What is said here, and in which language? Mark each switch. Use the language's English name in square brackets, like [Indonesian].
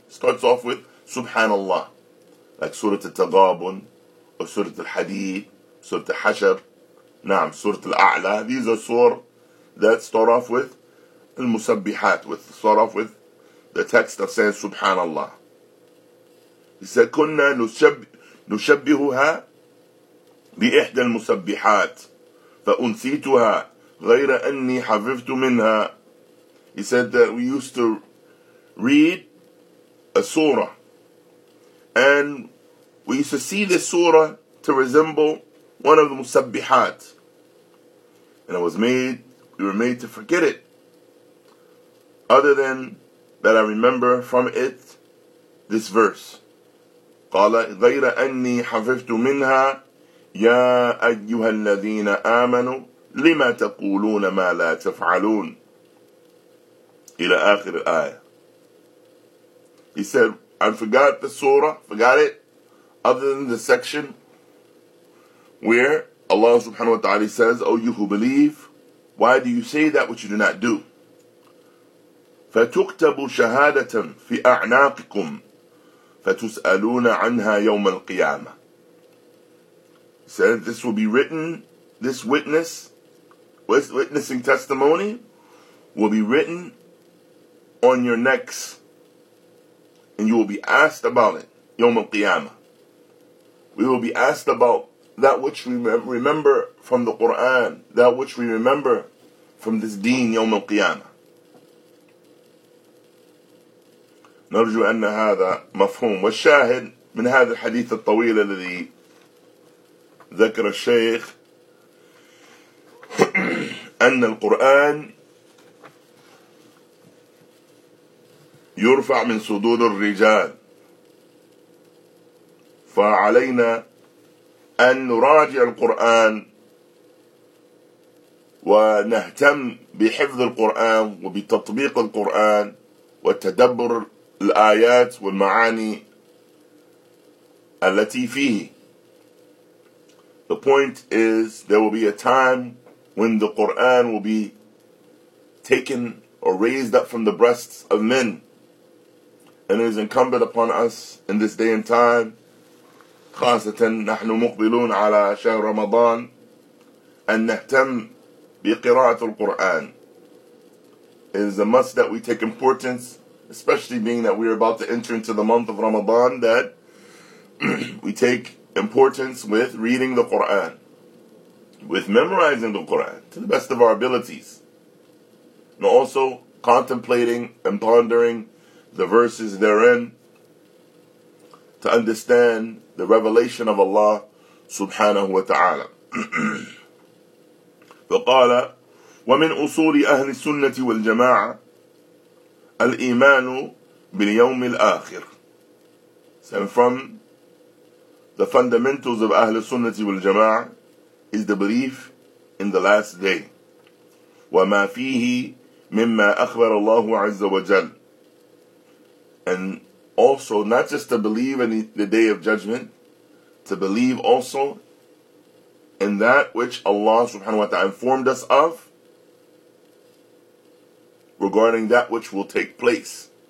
[English] Starts off with subhanallah, like Surah At-Taghabun or Surah Al-Hadid, Surah Al-Hashr, Naam, Surah Al-A'la. These are surahs that start off with al-musabbihat, with start off with the text of saying subhanallah. He said, [Arabic] "Kunna nushabbihuha بإحدى المسبحات فأنسيتها غير أني حفظت منها." [English] He said that we used to read a surah, and we used to see this surah to resemble one of the musabbihat, and we were made to forget it, other than that I remember from it this verse. [Arabic] قال غير أني حفظت منها يا أيها الذين آمنوا لما تقولون ما لا تفعلون إلى آخر الآية. [English] He said, "I forgot the surah, forgot it, other than the section where Allah subhanahu wa ta'ala says, 'O you who believe, why do you say that which you do not do?' [Arabic] فتكتب شهادة في أعناقكم فتسألون عنها يوم القيامة." [English] He said, "This will be written, this witnessing testimony will be written on your necks, and you will be asked about it, Yawm al-Qiyamah. We will be asked about that which we remember from the Qur'an, that which we remember from this deen, Yawm al-Qiyamah." [Arabic] نرجو أن هذا مفهوم. والشاهد من هذا الحديث الطويل الذي ذكر الشيخ أن القرآن يرفع من صدور الرجال، فعلينا أن نراجع القرآن ونهتم بحفظ القرآن وبتطبيق القرآن وتدبر الآيات والمعاني التي فيه. [English] The point is, there will be a time when the Qur'an will be taken or raised up from the breasts of men. And it is incumbent upon us in this day and time, [Arabic] خاصة نحن مقبلون على شهر رمضان, أن نهتم بقراءة القرآن. [English] It is a must that we take importance, especially being that we are about to enter into the month of Ramadan, that we take importance with reading the Qur'an, with memorizing the Qur'an to the best of our abilities, and also contemplating and pondering the verses therein to understand the revelation of Allah subhanahu wa ta'ala. [Arabic] فقال ومن أصول أهل السنة والجماعة الإيمان باليوم الآخر. [English] And from the fundamentals of Ahl Sunnati wal Jama'ah is the belief in the last day. [Arabic] وَمَا فِيهِ مِمَّا أَخْبَرَ اللَّهُ عَزَّ وَجَلَّ. [English] And also not just to believe in the Day of Judgment, to believe also in that which Allah subhanahu wa ta'ala informed us of regarding that which will take place.